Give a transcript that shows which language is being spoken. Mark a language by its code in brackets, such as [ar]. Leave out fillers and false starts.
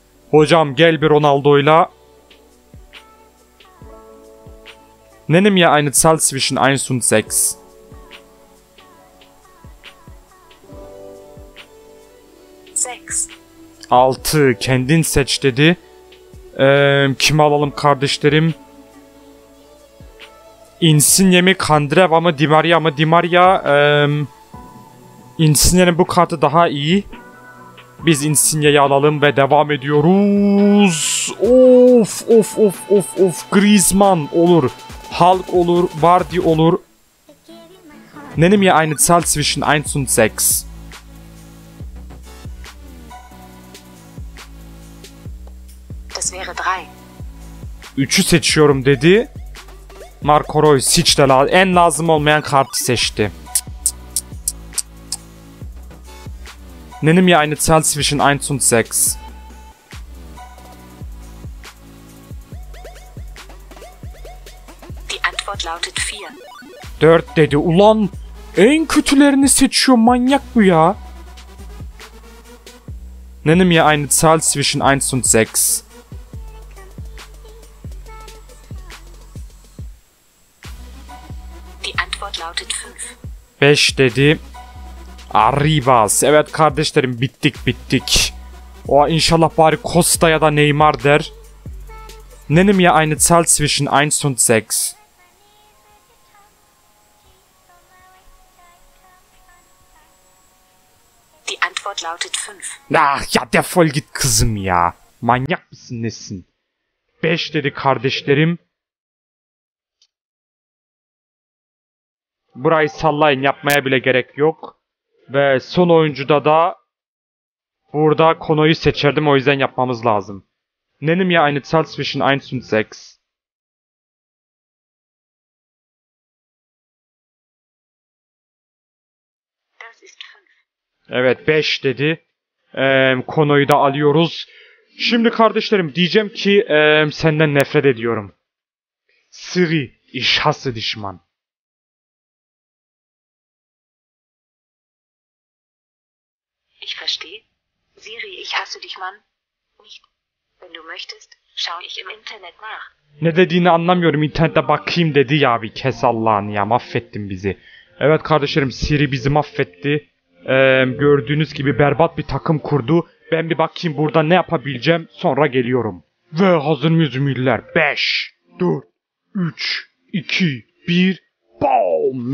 [tr] Hocam gel bir Ronaldo'yla. [de] Nenne mir eine Zahl zwischen 1 und 6. [tr] Altı. Kendin seç dedi. Kimi alalım kardeşlerim? Insigne mi, Kandreva mı, Di Maria mı? Di Maria. Insigne'nin bu kartı daha iyi. Biz Insigne'yi alalım ve devam ediyoruz. Of. Griezmann olur. Hulk olur. Vardy olur. [de] Nenne mir eine Zahl zwischen 1 und 6. Wäre [tr] 3'ü seçiyorum dedi. Marco Reus hiç de en lazım olmayan kartı seçti. [de] Nenne mir eine Zahl zwischen 1 und 6. Die Antwort lautet 4. [tr] 4 dedi. Ulan en kötülerini seçiyor, manyak bu ya. [de] Nenne mir eine Zahl zwischen 1 und 6. Die Antwort lautet 5. [tr] 5 dedi. Arribas. Evet kardeşlerim, bittik bittik. O inşallah bari Costa ya da Neymar der. [de] Nenne mir eine Zahl zwischen 1 und 6. Lautet 5. Ach ja, der voll [tr] git kızım ya. Manyak mısın nesin? 5 dedi kardeşlerim. Burayı sallayın, yapmaya bile gerek yok. Ve son oyuncuda da burada konuyu seçerdim, o yüzden yapmamız lazım. [de] Nenim ya eine Zahl zwischen 1 und 6. [tr] Evet, 5 dedi. Konuyu da alıyoruz. Şimdi kardeşlerim, diyeceğim ki senden nefret ediyorum. [de] Siri, ich hasse dich man. Ich verstehe. Siri, ich hasse dich man. Nicht. Wenn du möchtest, schaue ich im Internet nach. [tr] Ne dediğini anlamıyorum. İnternette bakayım dedi ya abi. Kes Allah'ını ya, affettin bizi. Evet kardeşlerim, Siri bizi affetti. Gördüğünüz gibi berbat bir takım kurdu. Ben bir bakayım burada ne yapabileceğim, sonra geliyorum. Ve hazır mıyız müller? 5, 4, 3, 2, 1, BOOM!